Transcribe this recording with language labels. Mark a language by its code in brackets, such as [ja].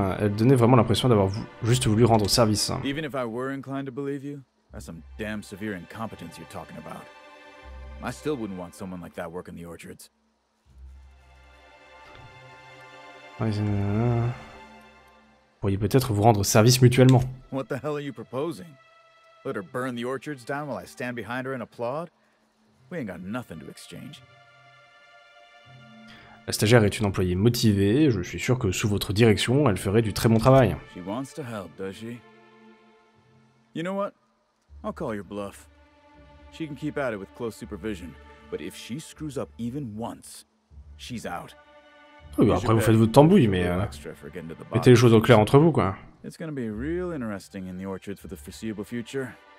[fr] Elle donnait vraiment l'impression d'avoir juste voulu rendre service. [en] Even if I were inclined to believe you, that's some damn severe incompetence you're talking about. I still wouldn't want someone like that working the orchards. [fr] Vous pourriez peut-être vous rendre service mutuellement. [en] What the hell are you proposing? Let her burn the orchards down while I stand behind her and applaud? We ain't got nothing to exchange. [fr] La stagiaire est une employée motivée. Je suis sûr que sous votre direction, elle ferait du très bon travail. [en] She wants to help, does she? You know what? I'll call your bluff. She can keep at it with close supervision, but if she screws up even once, she's out. [fr] Oui, bah après vous faites votre tambouille, mais mettez les choses au clair entre vous, quoi. [en] It's gonna be real interesting in the orchard for the foreseeable future.